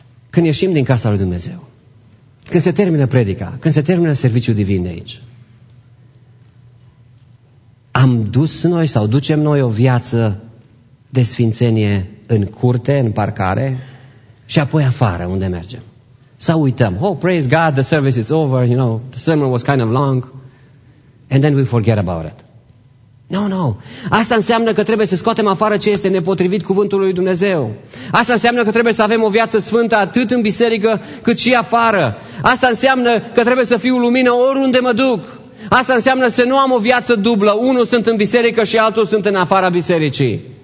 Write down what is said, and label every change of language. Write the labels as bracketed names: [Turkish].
[Romanian] Când ieșim din casa lui Dumnezeu, când se termină predica, când se termină serviciul divin de aici, am dus noi sau ducem noi o viață de sfințenie în curte, în parcare și apoi afară, unde mergem. Sau uităm, [English] oh, praise God, the service is over, you know, the sermon was kind of long, and then we forget about it. No. [Romanian] Asta înseamnă că trebuie să scoatem afară ce este nepotrivit cuvântului lui Dumnezeu. Asta înseamnă că trebuie să avem o viață sfântă atât în biserică cât și afară. Asta înseamnă că trebuie să fiu lumină oriunde mă duc. Asta înseamnă să nu am o viață dublă. Unul sunt în biserică și altul sunt în afara bisericii.